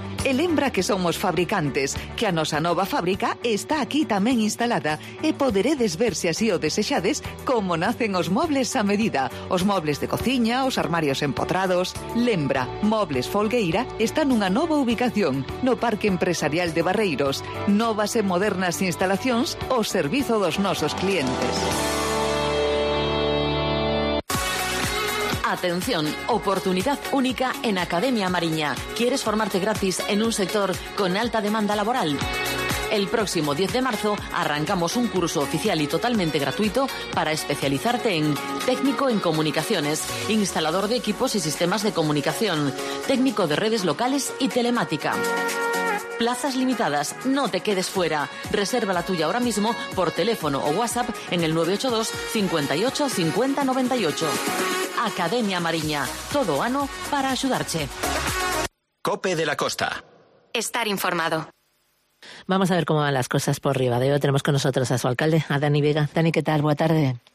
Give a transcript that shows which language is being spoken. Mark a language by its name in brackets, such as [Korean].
[Galician] E lembra que somos fabricantes, que a nosa nova fábrica está aquí tamén instalada e poderedes ver se así o desexades como nacen os mobles a medida, os mobles de cociña, os armarios empotrados. Lembra, Mobles Folgueira está nunha nova ubicación, no Parque Empresarial de Barreiros. Novas e modernas instalacións ao servizo dos nosos clientes. [Spanish] Atención, oportunidad única en Academia Mariña. ¿Quieres formarte gratis en un sector con alta demanda laboral? El próximo 10 de marzo arrancamos un curso oficial y totalmente gratuito para especializarte en técnico en comunicaciones, instalador de equipos y sistemas de comunicación, técnico de redes locales y telemática. Plazas limitadas, no te quedes fuera. Reserva la tuya ahora mismo por teléfono o WhatsApp en el 982 58 50 98. [Galician] Academia Mariña, todo ano para axudarche. [Spanish] COPE de la Costa. Estar informado. Vamos a ver cómo van las cosas por Ribadeo. Tenemos con nosotros a su alcalde, a Dani Vega. Dani, ¿qué tal? Buenas tardes.